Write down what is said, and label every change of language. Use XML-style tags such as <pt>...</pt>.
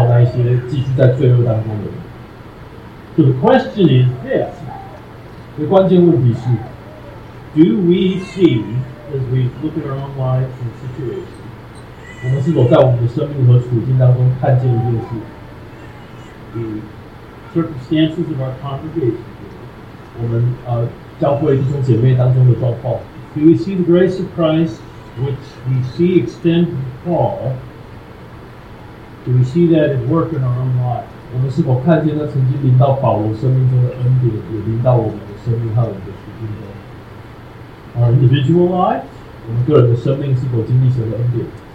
<zh>上帝的愤怒有一天会临到那一些继续在罪恶当中的人。</zh> <en>So the question is this.</en> <zh>关键问题是,</zh> <en>do we see, as we look at our own lives and situation,</en> <zh>我们是否在我们的生命和处境当中看见一件事,</zh> <en>the circumstances of our congregation,</en> <zh>我们教会弟兄姐妹当中的状况,</zh> <en>do we see the grace of Christ, which we see extended to Paul, do we see that at work in our own lives?</en> <zh>我们是否看见那曾经临到保罗生命中的恩典，也临到我们的生命和我们的处境中？</zh> <en>Our individual lives,</en> <zh>我们个人的生命是否经历神的恩典？</zh>